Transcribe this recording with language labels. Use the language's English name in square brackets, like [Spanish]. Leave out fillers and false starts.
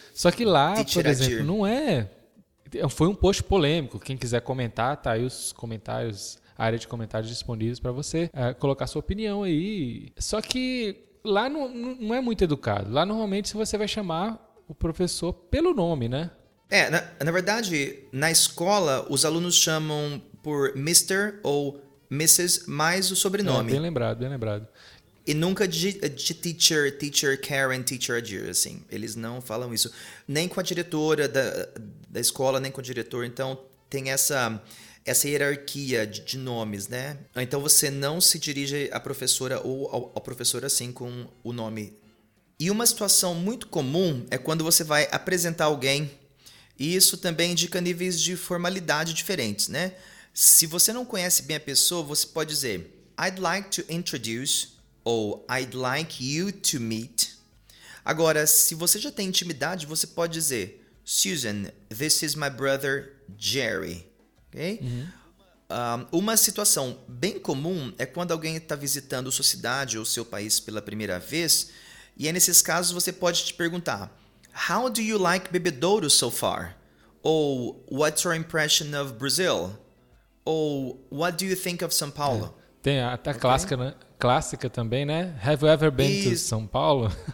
[Portuguese] Só que lá, teacher, por exemplo, não é... Foi um post polêmico, quem quiser comentar, tá aí os comentários, a área de comentários disponíveis para você colocar sua opinião aí. Só que lá não é muito educado. Lá normalmente você vai chamar o professor pelo nome, né? É, na verdade, na escola, os alunos chamam por Mr. ou Mrs. mais o sobrenome. É, bem lembrado, bem lembrado. E nunca de teacher, teacher Karen, teacher Adir, assim. Eles não falam isso. Nem com a diretora da escola, nem com o diretor. Então, tem essa hierarquia de nomes, né? Então, você não se dirige à professora ou ao professor assim com o nome. E uma situação muito comum é quando você vai apresentar alguém... E isso também indica níveis de formalidade diferentes, né? Se você não conhece bem a pessoa, você pode dizer [English] I'd like to introduce [Portuguese] ou [English] I'd like you to meet. [Portuguese] Agora, se você já tem intimidade, você pode dizer Susan, [English] this is my brother [Portuguese] Jerry. Ok? Uhum. Uma situação bem comum é quando alguém está visitando sua cidade ou seu país pela primeira vez. E aí, nesses casos, você pode te perguntar [English] How do you like Bebedouro so far? Ou, what's your impression of Brazil? Ou, what do you think of São Paulo? [Portuguese] É. Tem até a clássica, né? Clássica também, né? [English] Have you ever been to São Paulo?